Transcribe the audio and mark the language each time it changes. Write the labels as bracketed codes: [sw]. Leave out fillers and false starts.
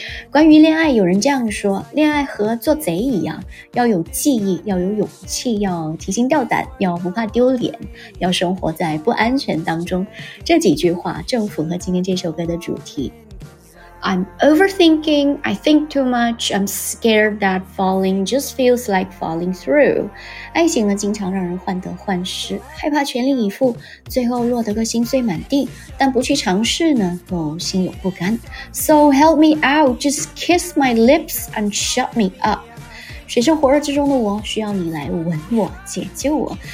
[zh] 关于恋爱，有人这样说，恋爱和做贼一样，要有记忆，要有勇气，要提心吊胆，要不怕丢脸，要生活在不安全当中。这几句话正符合今天这首歌的主题。 [en] I'm overthinking, I think too much, I'm scared that falling just feels like falling through. [zh] 爱情呢经常让人患得患失，害怕全力以赴，最后落得个心碎满地，但不去尝试呢又心有不甘。 [en] So help me out, just kiss my lips and shut me up. [zh] 水深火热之中的我需要你来吻我，解救我。